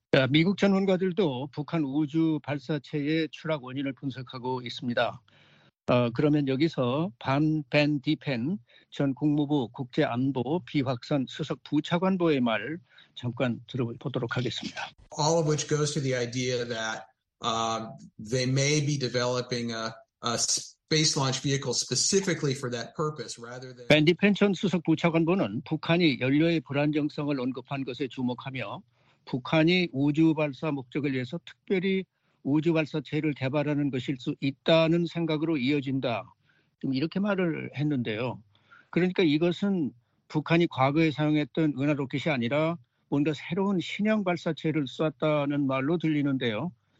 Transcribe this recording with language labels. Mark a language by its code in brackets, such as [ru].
[ko] 미국 전문가들도 북한 우주 발사체의 추락 원인을 분석하고 있습니다. 그러면 여기서 반 벤 디펜 전 국무부 국제안보 비확산 수석 부차관보의 말 잠깐 들어보도록 하겠습니다. [en] All of which goes to the idea that they may be developing a space launch vehicle specifically for that purpose rather than. [ko] 벤 디펜 전 수석 부차관보는 북한이 연료의 불안정성을 언급한 것에 주목하며 북한이 우주 발사 목적을 위해서 특별히 우주 발사체를 개발하는 것일 수 있다는 생각으로 이어진다. 좀 이렇게 말을 했는데요. 그러니까 이것은 북한이 과거에 사용했던 은하 로켓이 아니라 뭔가 새로운 신형 발사체를 쐈다는 말로 들리는데요.